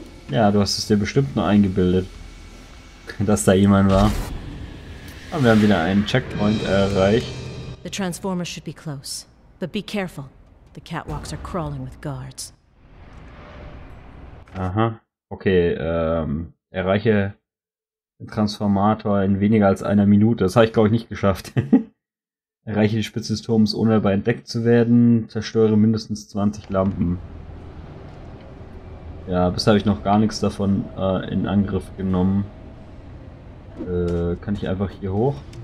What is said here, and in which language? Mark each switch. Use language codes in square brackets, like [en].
[de] Ja, du hast es dir bestimmt nur eingebildet, dass da jemand war. Aber wir haben wieder einen Checkpoint erreicht. [en] The Transformers should be close, but be careful. The catwalks are crawling with guards. Aha. [de] Okay, erreiche den Transformator in weniger als einer Minute. Das habe ich, glaube ich, nicht geschafft. Erreiche die Spitze des Turms, ohne dabei entdeckt zu werden. Zerstöre mindestens 20 Lampen. Ja, bisher habe ich noch gar nichts davon in Angriff genommen. Kann ich einfach hier hoch?